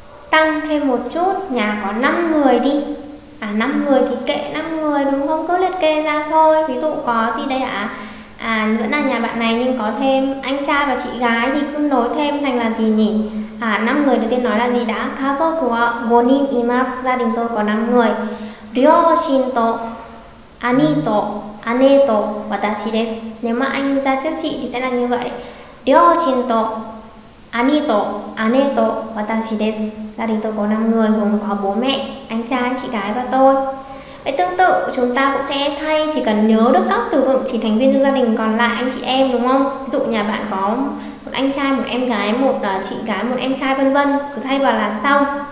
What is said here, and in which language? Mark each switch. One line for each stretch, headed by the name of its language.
Vietnamese: Tăng thêm một chút, nhà có 5 người đi. À, 5 người thì kệ 5 người đúng không? Cứ liệt kê ra thôi. Ví dụ có gì đây ạ? À, vẫn là nhà bạn này nhưng có thêm anh trai và chị gái thì cứ nối thêm thành là gì nhỉ? À, 5 người đầu tiên nói là gì đã?
Japanese: Kazoku wa 5人 imasu.
Vietnamese: Gia đình tôi có 5 người.
Japanese: 両親 と兄 と姉 と私 です.
Vietnamese: Nếu mà anh ra trước chị thì sẽ là như vậy.
Japanese: 両親 と兄 と姉 と私 です.
Vietnamese: Gia đình tôi có 5 người, gồm có bố mẹ, anh trai, chị gái và tôi. Vậy tương tự chúng ta cũng sẽ thay, chỉ cần nhớ được các từ vựng chỉ thành viên trong gia đình còn lại anh chị em đúng không? Ví dụ nhà bạn có một anh trai, một em gái, một chị gái, một em trai vân vân, cứ thay vào là xong.